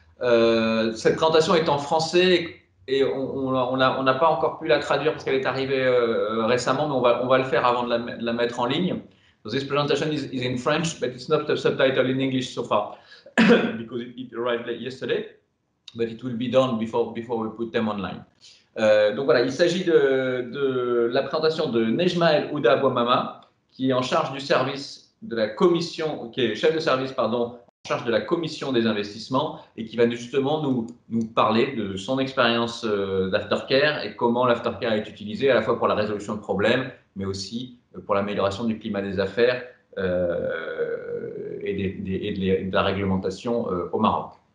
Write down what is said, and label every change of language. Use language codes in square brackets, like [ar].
[fr] Cette présentation est en français et on n'a pas encore pu la traduire parce qu'elle est arrivée récemment, mais on va le faire avant de la mettre en ligne. [en] So this presentation is in French, but it's not subtitled in English so far because it arrived late yesterday, but it will be done before we put them online. [fr] Donc voilà, il s'agit de la présentation de Nejma El Houda Bouamama, qui est en charge du service de la commission, qui est chef de service, pardon, en charge de la commission des investissements et qui va justement nous parler de son expérience d'aftercare et comment l'aftercare est utilisé à la fois pour la résolution de problèmes mais aussi pour l'amélioration du climat des affaires et de la réglementation au Maroc.